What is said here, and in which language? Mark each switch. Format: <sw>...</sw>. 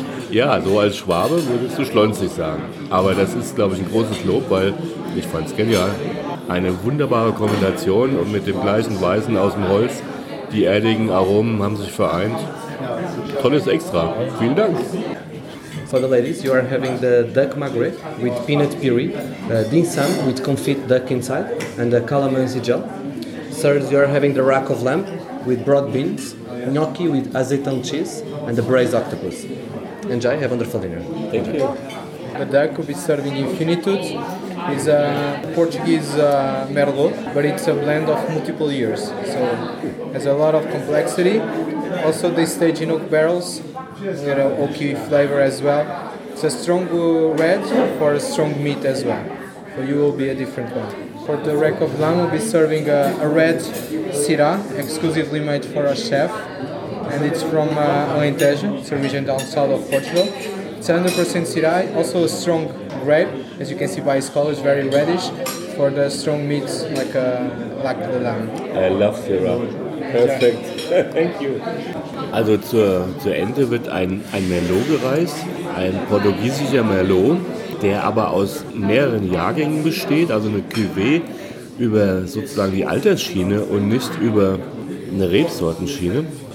<de>Ja, so als Schwabe würdest du schlonzig sagen. Aber das ist, glaube ich, ein großes Lob, weil ich fand es genial. Eine wunderbare Kombination und mit dem gleichen Weißen aus dem Holz. Die erdigen Aromen haben sich vereint. Tolles Extra. Vielen Dank.</de> <en>For the ladies, you are having the duck magret with peanut puree, dim sum with confit duck inside and the calamansi gel. Sirs, you are having the rack of lamb with broad beans, gnocchi with azeitan cheese and the braised octopus. Enjoy, have a wonderful dinner. Thank you. The duck will be serving in finitude. It's a Portuguese merlot, but it's a blend of multiple years. So it has a lot of complexity. Also, they stage in oak barrels. We got an oaky flavor as well. It's a strong red for a strong meat as well. So you will be a different one. For the rack of lamb, we'll be serving a red Syrah, exclusively made for our chef. And it's from Alentejo, it's a region down south of Portugal. It's 100% Syrah, also a strong grape. As you can see by its color, it's very reddish. For the strong meat, like the lamb. I love Syrah. Perfect. Thank you.</en> <de>Also zur Ente wird ein Merlot gereist, ein portugiesischer Merlot, der aber aus mehreren Jahrgängen besteht, also eine Cuvée über sozusagen die Altersschiene und nicht über eine Rebsortenschiene.</de>